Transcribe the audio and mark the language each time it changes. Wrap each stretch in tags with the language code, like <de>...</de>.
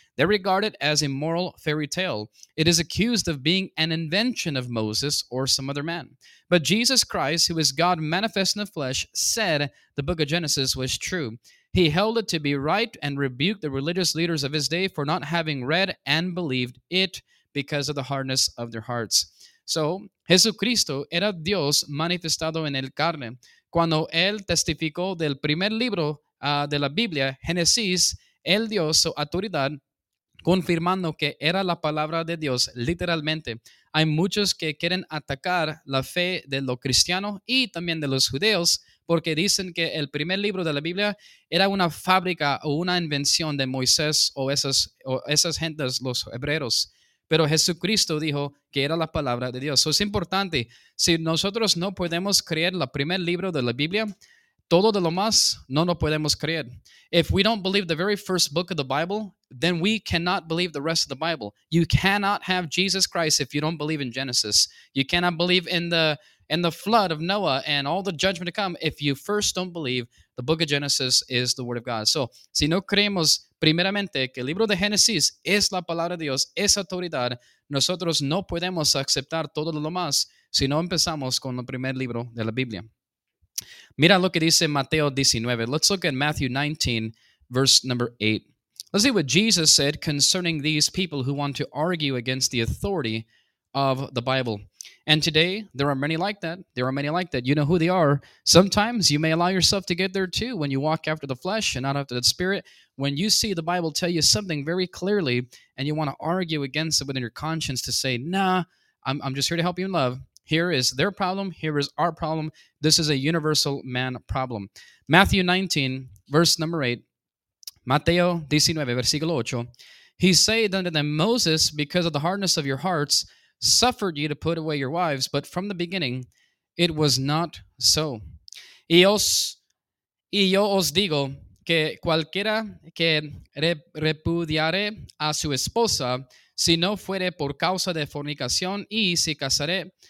<en>They regard it as a moral fairy tale. It is accused of being an invention of Moses or some other man. But Jesus Christ, who is God manifest in the flesh, said the book of Genesis was true. He held it to be right and rebuked the religious leaders of his day for not having read and believed it because of the hardness of their hearts.</en> <es>So, Jesucristo era Dios manifestado en el carne. Cuando él testificó del primer libro de la Biblia, Génesis, él dio su autoridad confirmando que era la palabra de Dios, literalmente. Hay muchos que quieren atacar la fe de los cristianos y también de los judíos porque dicen que el primer libro de la Biblia era una fábrica o una invención de Moisés o esas gentes, los hebreos. Pero Jesucristo dijo que era la palabra de Dios. Eso es importante. Si nosotros no podemos creer el primer libro de la Biblia, todo de lo más no lo podemos creer.</es> <en>If we don't believe the very first book of the Bible, then we cannot believe the rest of the Bible. You cannot have Jesus Christ if you don't believe in Genesis. You cannot believe in the flood of Noah and all the judgment to come if you first don't believe the book of Genesis is the word of God.</en> <es>So, si no creemos primeramente que el libro de Génesis es la palabra de Dios, es autoridad, nosotros no podemos aceptar todo lo más si no empezamos con el primer libro de la Biblia. Mira lo que dice Mateo 19.</es> <en>Let's look at Matthew 19, verse number 8. Let's see what Jesus said concerning these people who want to argue against the authority of the Bible. And today, there are many like that. There are many like that. You know who they are. Sometimes you may allow yourself to get there too when you walk after the flesh and not after the spirit. When you see the Bible tell you something very clearly and you want to argue against it within your conscience to say, nah, I'm just here to help you in love. Here is their problem. Here is our problem. This is a universal man problem. Matthew 19, verse number 8.</en> <es>Mateo 19, versículo 8.</es> <en>He said unto them, Moses, because of the hardness of your hearts, suffered ye to put away your wives, but from the beginning it was not so.</en> <es>Y yo os digo que cualquiera que repudiare a su esposa, si no fuere por causa de fornicación y si casare.</es>